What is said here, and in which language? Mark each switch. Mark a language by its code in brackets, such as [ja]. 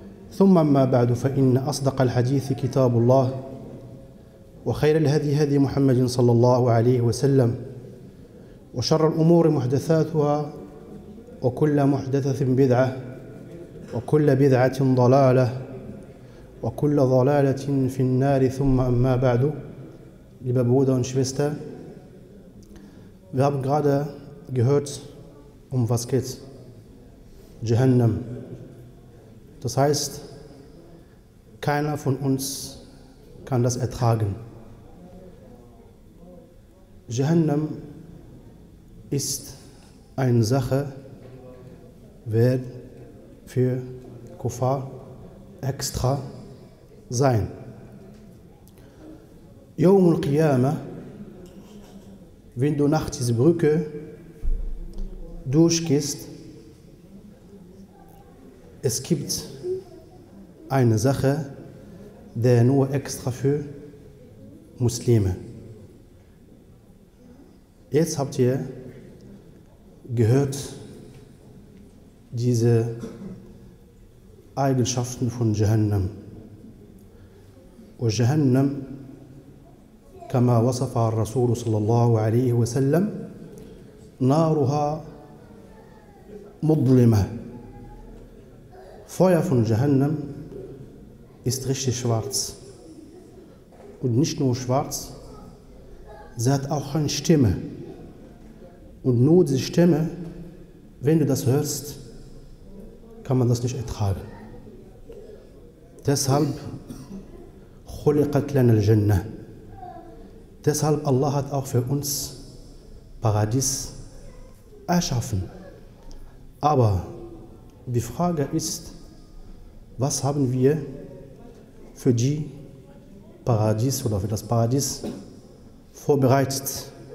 [ar] ثم أما بعد، فإن أصدق الحديث كتاب الله، وخير الهدي هدي محمد صلى الله عليه وسلم، وشر الأمور محدثاتها، وكل محدثة بدعة، وكل بدعة ضلالة، وكل ضلالة في النار. ثم أما بعد، [de] liebe Brüder und Schwester, wir haben gerade gehört, um was geht es? Jahannam. Das heißt, keiner von uns kann das ertragen. Jahannam ist eine Sache, wer für Kuffar extra sein. [ar] يوم القيامة، [de] wenn du nach dieser Brücke durchgehst, es gibt eine Sache, der nur extra für Muslime. Jetzt habt ihr gehört diese Eigenschaften von Jahannam. Und Jahannam, [ar] كما وصف الرسول صلى الله عليه وسلم، نارها مظلمة. [de] Feuer von Jahannam ist richtig schwarz. Und nicht nur schwarz, sie hat auch eine Stimme. Und nur diese Stimme, wenn du das hörst, kann man das nicht ertragen. Deshalb [ar] خلقت لنا الجنة. [de] Deshalb Allah hat auch für uns Paradies erschaffen. Aber die Frage ist, was haben wir für die Paradies oder für das Paradies vorbereitet?